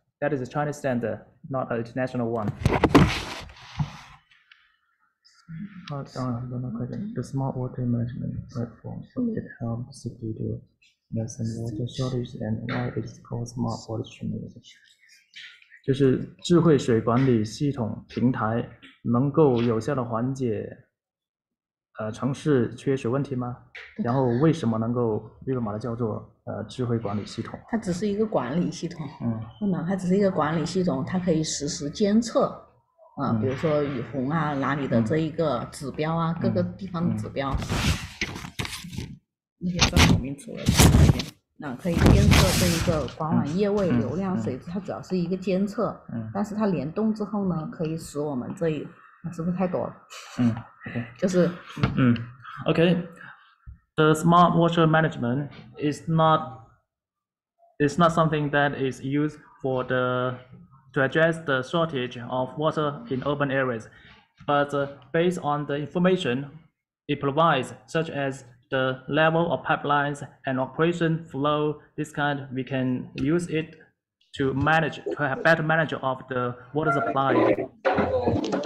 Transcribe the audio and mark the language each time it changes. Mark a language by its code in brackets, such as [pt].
[en] That is a Chinese standard, not an international one. The smart water management platform, it helps to do lessen water shortage and why it's called smart water treatment. [zh] 就是智慧水管理系统平台能够有效的缓解城市缺水问题吗？然后为什么能够日本把它叫做智慧管理系统？它只是一个管理系统，嗯，不能，它只是一个管理系统，它可以实时监测啊，比如说雨洪啊，哪里的这一个指标啊，各个地方的指标，那些专有名词我也不会。那可以监测这一个管网液位流量水质，它主要是一个监测，但是它联动之后呢，可以使我们这一。 [en] Okay. The smart water management is not something that is used to address the shortage of water in urban areas, but based on the information it provides, such as the level of pipelines and operation flow, this kind we can use it to manage to have better manage of the water supply.